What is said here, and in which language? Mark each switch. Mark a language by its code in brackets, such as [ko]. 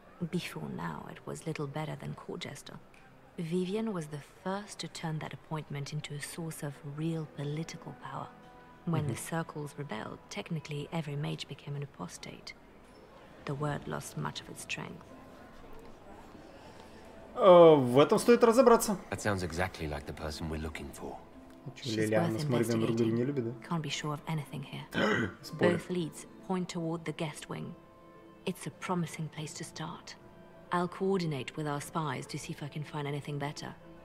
[en] Before now, it was little better than court jester. Vivian was the first to turn that appointment into a source of real political power. When the circles rebelled, technically every mage became an apostate. The word lost much of its strength. [ru] В этом стоит разобраться. [en] That sounds exactly like the person we're looking for. She's worth investigating. Can't be sure of anything here. Both leads point toward the guest wing. It's a promising place to start. I'll coordinate with our spies to see if I can find anything better.